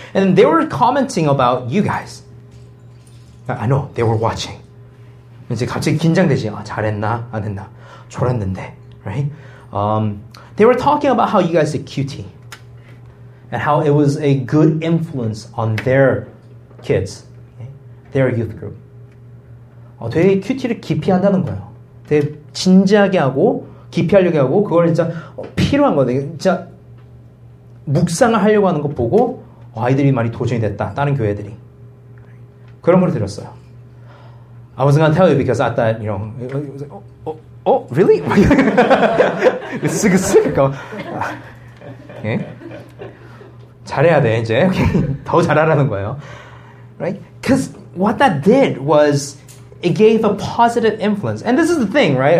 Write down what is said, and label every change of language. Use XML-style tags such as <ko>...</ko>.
<en>And they were commenting about you guys. I know, they were watching.</en> <ko>이제 갑자기 긴장되지. 아, 잘했나? 안 했나? 졸았는데,</ko> <en>right? They were talking about how you guys did QT, and how it was a good influence on their kids, okay? Their youth group.</en> <ko>되게 QT를 깊이 한다는 거예요. 되게 진지하게 하고 깊이 하려고 하고 그걸 진짜 필요한 거네. 진짜 묵상을 하려고 하는 거 보고 와, 아이들이 많이 도전이 됐다. 다른 교회들이. 그런 걸 들었어요.</ko> <en>I wasn't going to tell you because I thought, you know, it was like, oh, really? It's sick, sick.</en> <ko>잘해야 돼, 이제. 더 잘하라는 거예요.</ko> <en>Right? Because what that did was it gave a positive influence. And this is the thing, right?</en>